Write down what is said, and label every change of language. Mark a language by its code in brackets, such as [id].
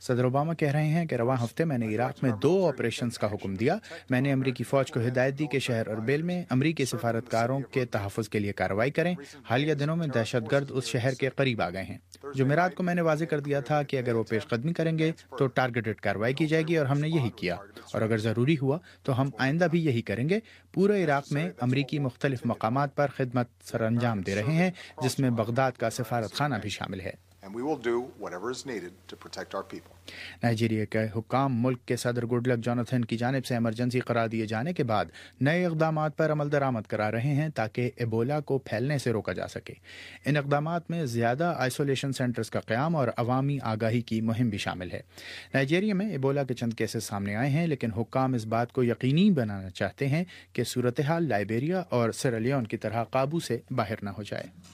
[ur] صدر اوباما کہہ رہے ہیں کہ رواں ہفتے میں نے عراق میں 2 آپریشنز کا حکم دیا۔ میں نے امریکی فوج کو ہدایت دی کہ شہر اربیل میں امریکی سفارتکاروں کے تحفظ کے لیے کاروائی کریں۔ حالیہ دنوں میں دہشت گرد اس شہر کے قریب آ گئے ہیں۔ جمعرات کو میں نے واضح کر دیا تھا کہ اگر وہ پیش قدمی کریں گے تو ٹارگیٹڈ کاروائی کی جائے گی، اور ہم نے یہی کیا، اور اگر ضروری ہوا تو ہم آئندہ بھی یہی کریں گے۔ پورے عراق میں امریکی مختلف مقامات پر خدمت سر انجام دے رہے ہیں، جس میں بغداد کا سفارت خانہ بھی شامل ہے۔ [en] And we will do whatever is needed to protect our people. [ur] Nigeria کے حکام ملک کے صدر گڈلک جوناتھن کی جانب سے ایمرجنسی قرار دیے جانے کے بعد نئے اقدامات پر عمل درآمد کرا رہے ہیں تاکہ ایبولا کو پھیلنے سے روکا جا سکے۔ ان اقدامات میں زیادہ آئسولیشن سینٹرز کا قیام اور عوامی آگاہی کی مہم بھی شامل ہے۔ نائجیریا میں ایبولا کے چند کیسز سامنے آئے ہیں، لیکن حکام اس بات کو یقینی بنانا چاہتے ہیں کہ صورتحال لائبیریا اور سیرالیون کی طرح قابو سے باہر نہ ہو جائے۔